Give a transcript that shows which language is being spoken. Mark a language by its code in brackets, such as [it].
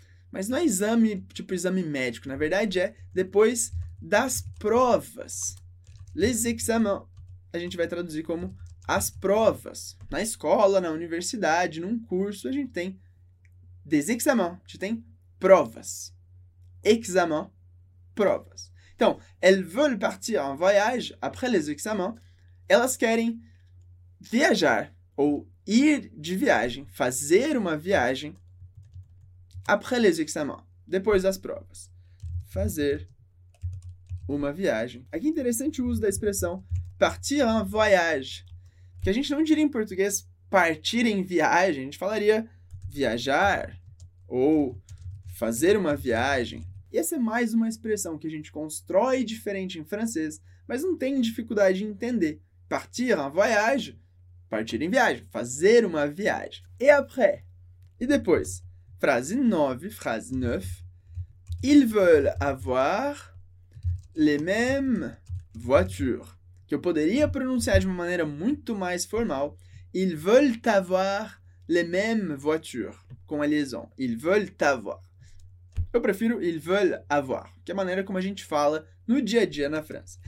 [pt] Mas não é exame, tipo exame médico, na verdade é depois das provas. [fr] Les examens, [pt] a gente vai traduzir como as provas. Na escola, na universidade, num curso, a gente tem [fr] des examens, [pt] a gente tem provas. Examens, provas. [fr] Então, elles veulent partir en voyage après les examens. [pt] Elas querem viajar ou ir de viagem, fazer uma viagem [fr] après les examens, [pt] depois das provas. Fazer uma viagem. Aqui é interessante o uso da expressão [fr] partir en voyage, [pt] que a gente não diria em português partir em viagem, a gente falaria viajar ou fazer uma viagem. E essa é mais uma expressão que a gente constrói diferente em francês, mas não tem dificuldade em entender. [fr] Partir en voyage. [pt] Partir em viagem, fazer uma viagem. [fr] Et après? [pt] E depois? Frase 9, frase 9. [fr] Ils veulent avoir les mêmes voitures. [pt] Que eu poderia pronunciar de uma maneira muito mais formal. [fr] Ils veulent avoir les mêmes voitures. [pt] Com a liaison. [fr] Ils veulent avoir. [pt] Eu prefiro [fr] ils veulent avoir, [pt] que é a maneira como a gente fala no dia a dia na França.